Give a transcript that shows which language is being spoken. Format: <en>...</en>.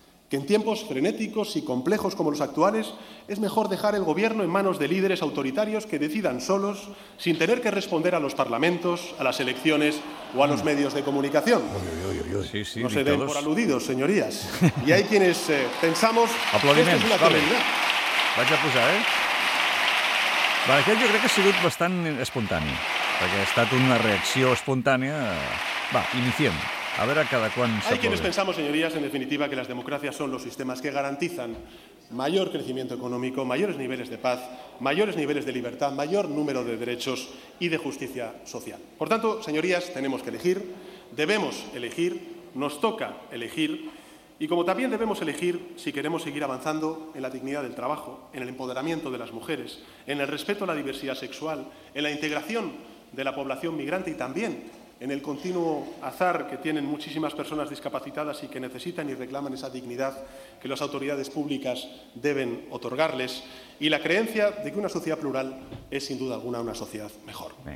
<es>Que en tiempos frenéticos y complejos como los actuales es mejor dejar el gobierno en manos de líderes autoritarios que decidan solos sin tener que responder a los parlamentos, a las elecciones o a los medios de comunicación. Sí, no se den todos por aludidos, señorías. Y hay quienes pensamos que esto es una calamidad.</es> <ca>Vaig a posar, eh? Va, aquest jo crec que ha sigut bastant espontani, perquè ha estat una reacció espontània. Va, iniciem.</ca> <es>A ver a cada cuán se puede. Hay quienes pensamos, señorías, en definitiva, que las democracias son los sistemas que garantizan mayor crecimiento económico, mayores niveles de paz, mayores niveles de libertad, mayor número de derechos y de justicia social. Por tanto, señorías, tenemos que elegir, debemos elegir, nos toca elegir, y como también debemos elegir si queremos seguir avanzando en la dignidad del trabajo, en el empoderamiento de las mujeres, en el respeto a la diversidad sexual, en la integración de la población migrante y también en el continuo azar que tienen muchísimas personas discapacitadas y que necesitan y reclaman esa dignidad que las autoridades públicas deben otorgarles, y la creencia de que una sociedad plural es, sin duda alguna, una sociedad mejor.</es>